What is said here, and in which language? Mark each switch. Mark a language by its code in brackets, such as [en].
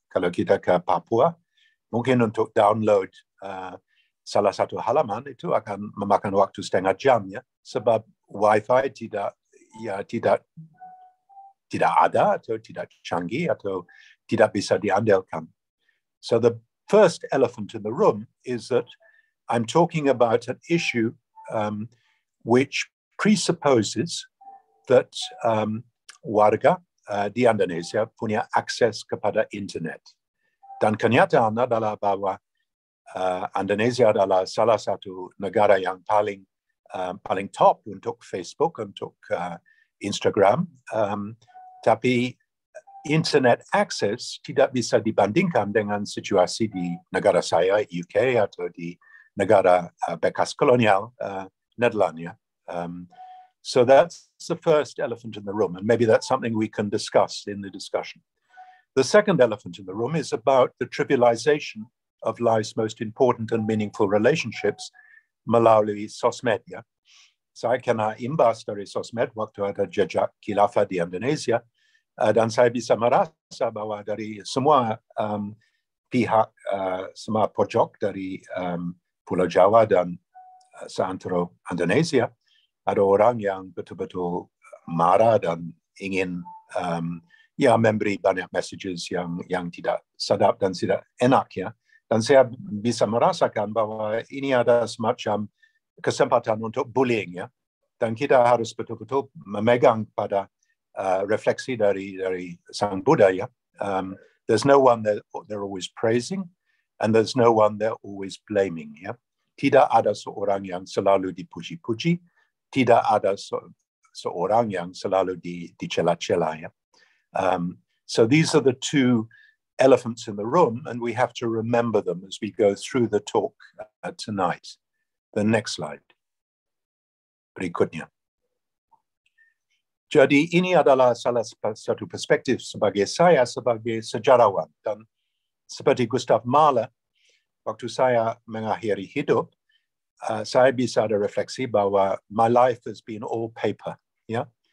[id] Kalau kita ke Papua, mungkin untuk download salah satu halaman itu akan memakan waktu setengah jam, ya, sebab wifi tidak ada atau tidak canggih atau tidak bisa diandalkan. [en] So the first elephant in the room is that I'm talking about an issue which presupposes that [id] warga di Indonesia punya akses kepada internet. [en] Dan kenyataan adalah bahwa Indonesia adalah salah satu negara yang paling paling top untuk Facebook, untuk Instagram. Tapi internet access tidak bisa dibandingkan dengan situasi di negara saya, UK, atau di negara bekas kolonial, Nederland. Yeah? So that's the first elephant in the room, and maybe that's something we can discuss in the discussion. The second elephant in the room is about the trivialization of life's most important and meaningful relationships [id] melalui sosmed. [en] Yeah? [id] Saya kena imbas dari sosmed waktu ada jejak khilafah di Indonesia, dan saya bisa merasa bahwa dari semua pihak, semua pojok dari Pulau Jawa dan seantero Indonesia, ada orang yang betul-betul marah dan ingin memberi banyak messages yang tidak sedap dan tidak enak, ya. Dan saya bisa merasakan bahwa ini ada semacam kesempatan untuk bullying, ya. Dan kita harus betul-betul memegang pada refleksi dari Sang Buddha, ya. [en] There's no one that they're always praising, and there's no one they're always blaming, ya. [id] Tidak ada seorang yang selalu dipuji-puji, tidak ada seorang yang selalu dicela-cela, ya. [en] So these are the two elephants in the room, and we have to remember them as we go through the talk tonight. The next slide. [id] Berikutnya. Jadi ini adalah salah satu perspektif sebagai saya, sebagai sejarawan. Dan seperti Gustav Mahler, waktu saya mengakhiri hidup, saya bisa ada refleksi bahwa [en] my life has been all paper. [id] Yeah?